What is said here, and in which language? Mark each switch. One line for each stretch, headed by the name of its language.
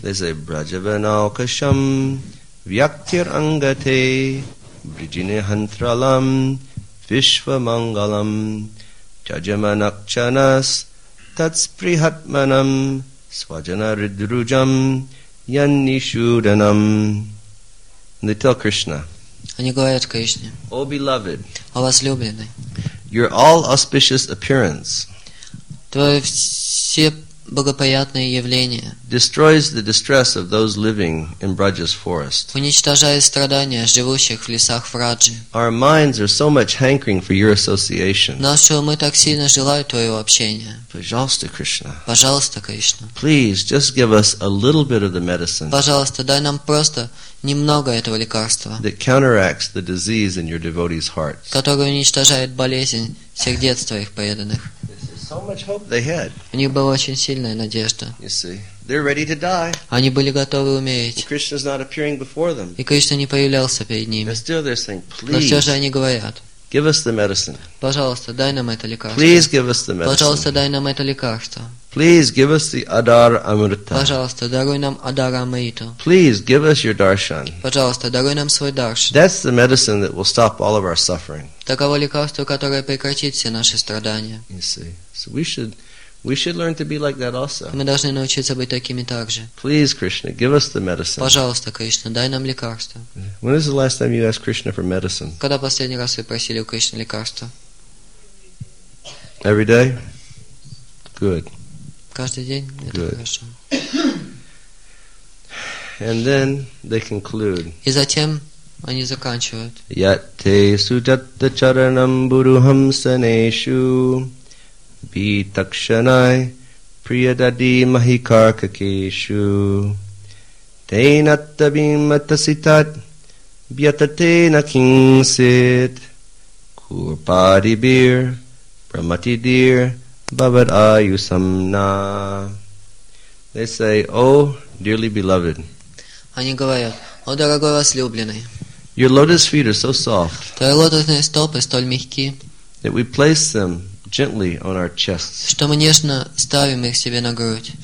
Sanskrit: They say, Brajavanaukasham Vyaktir Angate Vrijine Hantralam Vishva Mangalam Jajamanakchanas Tatsprihatmanam Swajana Ridrujam Yannishudanam.
English: And they tell Krishna,
Russian: они говорят Кришне,
English: O beloved,
Russian: о возлюбленный,
English: your all auspicious appearance,
Russian: твои все благоприятные явления,
English: destroys the distress of those living in Braja's forest.
Russian: Уничтожает страдания живущих в лесах Враджи.
English: Our minds are so much hankering for your association.
Russian: Наши умы так сильно желают твоего общения. Пожалуйста, Кришна. Пожалуйста, Кришна.
English: Please just give us a little bit of the medicine.
Russian: Пожалуйста, дай нам просто немного этого лекарства.
English: That counteracts the disease in your devotees' hearts.
Russian: Которое уничтожает болезнь сердец твоих преданных.
English: So much hope they had.
Russian: У них была очень сильная надежда.
English: You see, they're ready to die.
Russian: Они были готовы умереть.
English: And Krishna's not appearing before them.
Russian: И Кришна не появлялся перед ними.
English: But still they're saying, please.
Russian: Но все же они говорят.
English: Give us the medicine.
Russian: Пожалуйста, дай нам это лекарство.
English: Please give us the medicine.
Russian: Пожалуйста, дай нам это лекарство.
English: Please give us the Adar Amrita.
Russian: Пожалуйста, даруй нам Адар Амриту.
English: Please give us your Darshan.
Russian: Пожалуйста, даруй нам свой Даршан.
English: That's the medicine that will stop all of our suffering.
Russian: Таково лекарство, которое прекратит все наши страдания.
English: You see. So we should learn to be like that also.
Russian: Мы должны научиться быть такими также.
English: Please, Krishna, give us the medicine.
Russian: Пожалуйста, Кришна, дай нам лекарство.
English: When is the last time you asked Krishna for medicine?
Russian: Когда последний раз вы просили у Кришны лекарство?
English: Every day? Good.
Russian: Каждый день это хорошо.
English: And then they conclude.
Russian: И затем они заканчивают.
Sanskrit: Yatte sujatta charanam buruham saneshu bitakshanai priyadadi mahikarkakeshu tenatta bimatasitat vyatate nakinsit kurpadibir brahmatidir Bhavad Ayusamna.
English: They say, O dearly beloved.
Russian: Они говорят, о дорогой возлюбленный.
English: Your lotus feet are so soft.
Russian: Твои лотосные стопы столь мягки.
English: That we place them gently on our chests.
Russian: Что мы нежно ставим их себе на грудь.